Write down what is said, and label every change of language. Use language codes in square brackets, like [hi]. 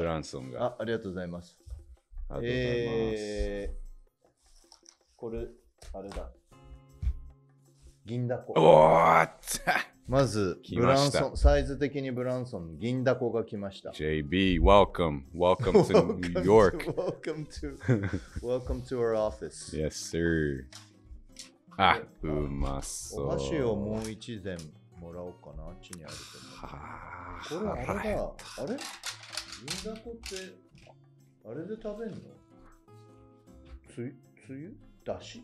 [ja] ブランソンが、ありがとうございます、ありがとうございます、これあれだ、銀だこ、おーっまずブランソン、サイズ的にブランソン銀だこが来ました、 [en] JB welcome welcome to New York welcome to welcome to our office yes sir、 [ja] あうまそう、お箸をもう一膳もらおうかな、あっちにあると思う、はこれあれだ、はい、あれ銀だこってあれで食べんの、つゆだし、